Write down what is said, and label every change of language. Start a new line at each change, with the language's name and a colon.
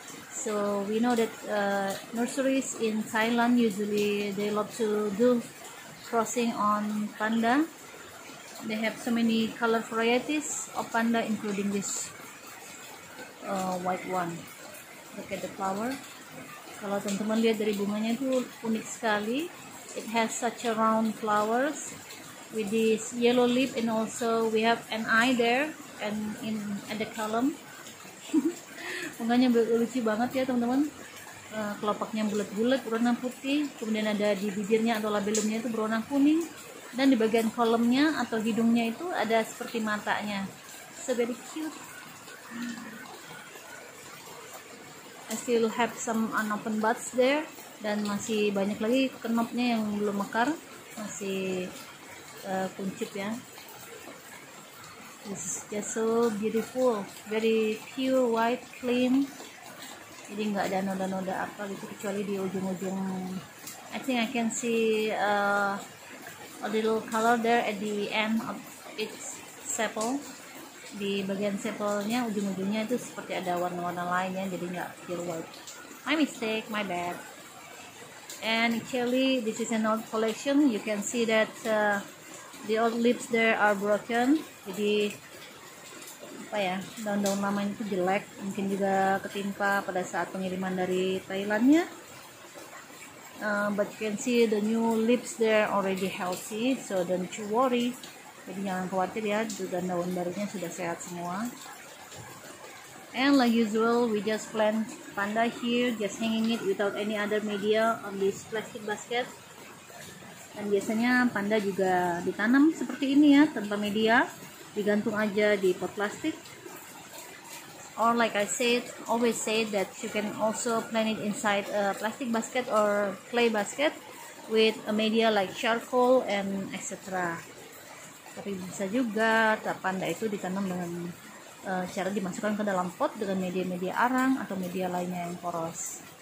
English: So we know that nurseries in Thailand usually they love to do crossing on panda. They have so many color varieties of panda, including this white one. Look at the flower.
Indonesian: Kalau teman-teman lihat dari bunganya itu unik sekali.
English: It has such a round flowers with this yellow leaf, and also we have an eye there and in at the column.
Indonesian: Bunganya lucu banget ya teman-teman. Kelopaknya bulat-bulat berwarna putih, kemudian ada di bibirnya atau labelumnya itu berwarna kuning, dan di bagian kolomnya atau hidungnya itu ada seperti matanya.
English: So very cute. I still have some unopened buds there,
Indonesian: dan masih banyak lagi kenopnya yang belum mekar, masih kuncup ya.
English: This is just so beautiful, very pure white, clean.
Indonesian: Jadi nggak ada noda-noda apa gitu, kecuali di ujung-ujung.
English: I think I can see a little color there at the end of its sepal.
Indonesian: Di bagian sepalnya, ujung-ujungnya itu seperti ada warna-warna lainnya, jadi nggak pure white.
English: My mistake, my bad. And actually, this is an old collection. You can see that the old leaves there are broken.
Indonesian: Jadi apa ya, daun-daun lamanya itu jelek, mungkin juga ketimpa pada saat pengiriman dari Thailandnya.
English: But you can see the new leaves there already healthy, so don't you worry.
Indonesian: Jadi jangan khawatir ya, juga daun barunya sudah sehat semua.
English: And like usual, we just plant panda here, just hanging it without any other media on this plastic basket.
Indonesian: Dan biasanya panda juga ditanam seperti ini ya, tanpa media, digantung aja di pot plastik.
English: Or like I said, always say that you can also plant it inside a plastic basket or clay basket with a media like charcoal and etc.
Indonesian: Tapi bisa juga panda itu ditanam dengan cara dimasukkan ke dalam pot dengan media-media arang atau media lainnya yang poros.